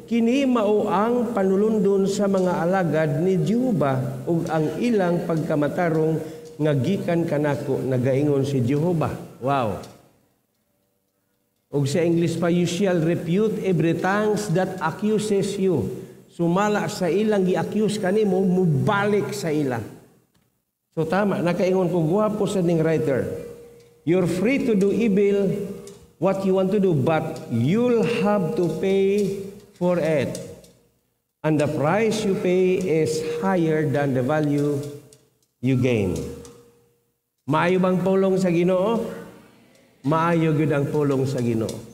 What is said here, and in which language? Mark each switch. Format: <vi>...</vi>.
<ceb>Kini mao ang panulundon sa mga alagad ni Jehova ug ang ilang pagkamatarong nga gikan kanako nagaingon si Jehova. Wow. Ug sa English pa,</ceb> <en>you shall repute every tongue that accuses you.</en> <ceb>Sumala sa ilang gi-accuse kanimo, mubalik sa ila. So tama, nakaingon ko, guwapo sa ning writer.</ceb> <en>You're free to do evil what you want to do, but you'll have to pay for it. And the price you pay is higher than the value you gain.</en> <ceb>Maayo bang pulong sa Ginoo? Maayo gyud ang pulong sa Ginoo.</ceb>